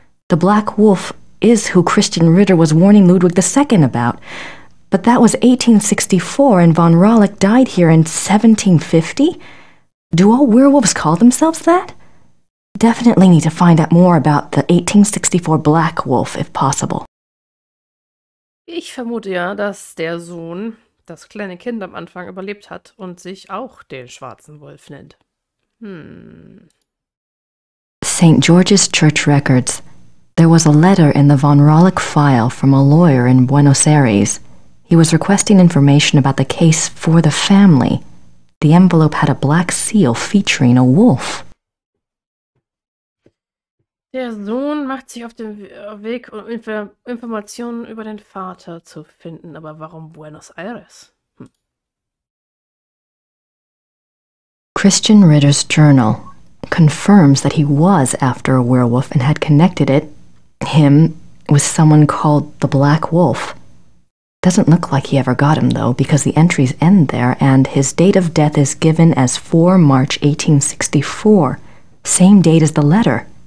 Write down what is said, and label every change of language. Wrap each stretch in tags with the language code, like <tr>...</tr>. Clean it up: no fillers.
<en>The Black Wolf is who Christian Ritter was warning Ludwig II about. But that was 1864 and von Rolick died here in 1750? Do all werewolves call themselves that? Definitely need to find out more about the 1864 Black Wolf, if possible.</en> <de>Ich vermute ja, dass der Sohn das kleine Kind am Anfang überlebt hat und sich auch den schwarzen Wolf nennt.</de> <en>St. George's Church Records. There was a letter in the von Rolick file from a lawyer in Buenos Aires. He was requesting information about the case for the family. The envelope had a black seal featuring a wolf.</en> <de>Der Sohn macht sich auf den Weg, um Informationen über den Vater zu finden. Aber warum Buenos Aires?</de> <en>Christian Ritter's journal confirms that he was after a werewolf and had connected it, him, with someone called the Black Wolf. Doesn't look like he ever got him, though, because the entries end there, and his date of death is given as 4 March 1864, same date as the letter.</en>